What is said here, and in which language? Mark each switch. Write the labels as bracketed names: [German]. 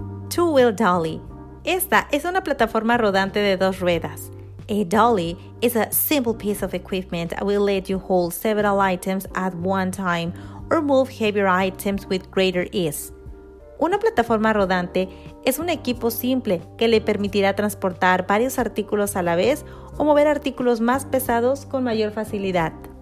[English] Two-wheel dolly. [Spanish] Esta es una plataforma rodante de dos ruedas. [English] A dolly is a simple piece of equipment that will let you hold several items at one time or move heavier items with greater ease. [Spanish] Una plataforma rodante es un equipo simple que le permitirá transportar varios artículos a la vez o mover artículos más pesados con mayor facilidad.